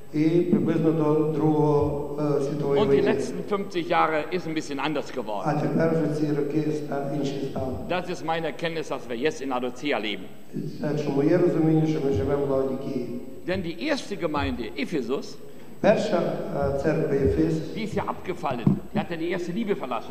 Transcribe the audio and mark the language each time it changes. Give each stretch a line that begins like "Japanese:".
Ukrainian: І приблизно до Другого світової війни.
German: Und die letzten 50 Jahre ist ein bisschen anders geworden.
Ukrainian: А тепер вже ці роки став інший стан.
German: Das ist meine Erkenntnis, dass wir jetzt in Laodicea leben.
Ukrainian: Це моє розуміння, що ми живемо в Лаодикеї.
German: Denn die erste Gemeinde, Ephesus,
Ukrainian: перша церква Ефес,
German: die ist ja abgefallen. Die hat ja die erste Liebe verlassen.